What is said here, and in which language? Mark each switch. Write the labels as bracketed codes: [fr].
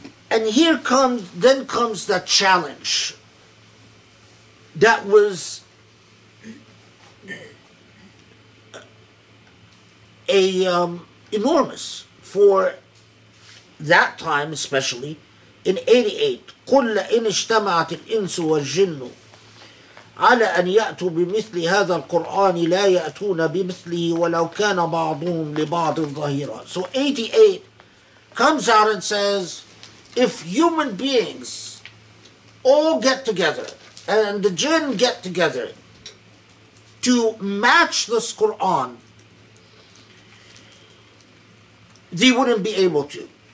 [en] And here comes, then comes the challenge that was enormous for that time, especially in 88. [ar] قُلْ لَئِنِ اجْتَمَعَتِ الْإِنسُ وَالْجِنُّ على أن يأتوا بمثل هذا القرآن لا يأتون بمثله ولو كان بعضهم لبعض ظهيرا. [en] So 88 comes out and says, if human beings all get together and the jinn get together to match this Quran, they wouldn't be able to.